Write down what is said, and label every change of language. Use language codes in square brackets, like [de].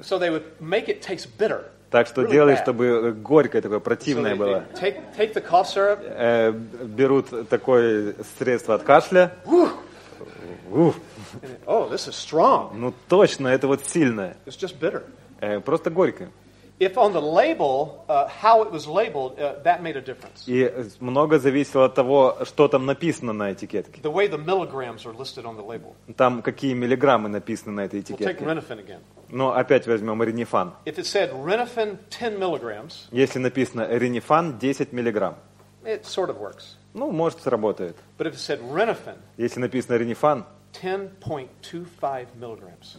[en] So they would make it taste bitter. [ru] Так что [en] really [ru] делали, [en] bad. [ru] Чтобы горькое такое, противное [en] so [ru] было. [en] Take the cough syrup. [ru] Берут такое средство от кашля. [en] Oh, this is strong. [ru] Ну, точно, это вот сильное. [en] It's just bitter. [ru] Просто горькое. [en] If on the label, how it was labeled, that made a difference. [ru] И много зависело от того, что там написано на этикетке. [en] The way the milligrams are listed on the label. [ru] Там какие миллиграммы написаны на этой этикетке. [en] We'll take Renifen again. [ru] Но опять возьмем Ринифан. [en] If it said Renifen 10 milligrams. [ru] Если написано Ринифан 10 миллиграмм. [en] It sort of works. [ru] Ну, может, сработает. [en] But if it said Renifen. [ru] Если написано Ринифан. [en] 10.25 milligrams.